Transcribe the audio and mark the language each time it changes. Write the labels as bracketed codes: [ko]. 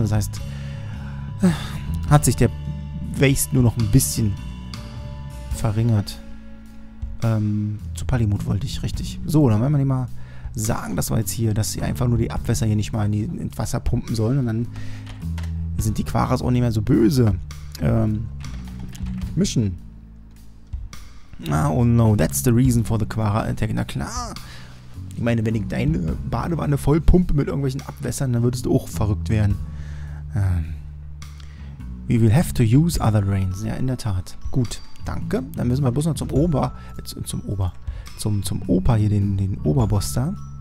[de] Das heißt, hat sich der Waste nur noch ein bisschen verringert. Zu Palimut wollte ich, richtig. So, dann wollen wir nicht mal sagen, dass wir jetzt hier, dass sie einfach nur die Abwässer hier nicht mal ins Wasser pumpen sollen. Und dann sind die Quaras auch nicht mehr so böse. Mission. [en] Ah, oh no, that's the reason for the Quara Attack. [de] Na klar. Ich meine, wenn ich deine Badewanne voll pumpe mit irgendwelchen Abwässern, dann würdest du auch verrückt werden. [en] We will have to use other drains. [de] Ja, in der Tat. Gut, danke. Dann müssen wir bloß noch zum Opa hier, den Oberboss da.